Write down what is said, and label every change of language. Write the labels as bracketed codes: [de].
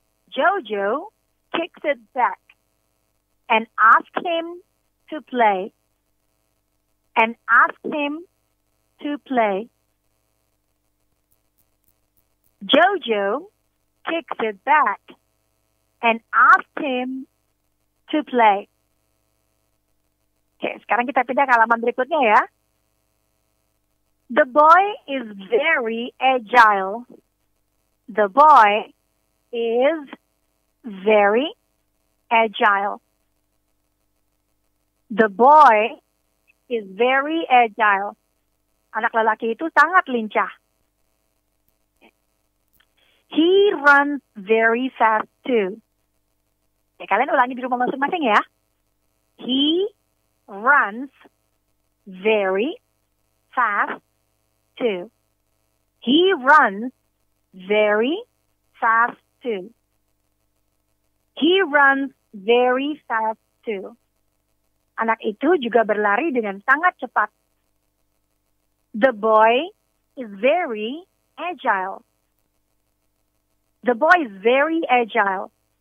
[en] Jojo kicks it back and asks him to play. And asks him to play. Jojo kicks it back and asks him to play. [id] Oke, sekarang kita pindah ke halaman berikutnya ya. [en] The boy is very agile. The boy is very agile. The boy is very agile. [id] Anak lelaki itu sangat lincah. [en] He runs very fast too. [id] Ya, kalian ulangi di rumah masing-masing ya. [en] He runs very fast. He runs very fast too. He runs very fast too. [id] Anak itu juga berlari dengan sangat cepat. [en] The boy is very agile. The boy is very agile.